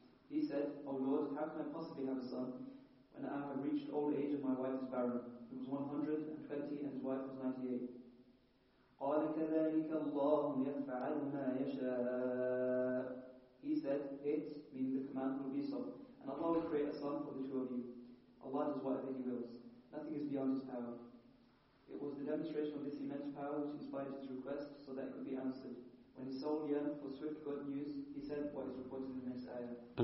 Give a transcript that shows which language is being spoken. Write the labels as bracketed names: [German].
[English] He said, O Lord, how can I possibly have a son when I have reached old age and my wife is barren? He was 120 and his wife was 98. [Arabic] قال كذلك الله يفعل ما يشاء. [English] He said, it, meaning the command, will be so. And Allah will create a son for the two of you. Allah does whatever He wills. Nothing is beyond His power. It was the demonstration of this immense power which inspired His request so that it could be answered. When his soul yearned for swift good news, he said what is reported in the next ayah.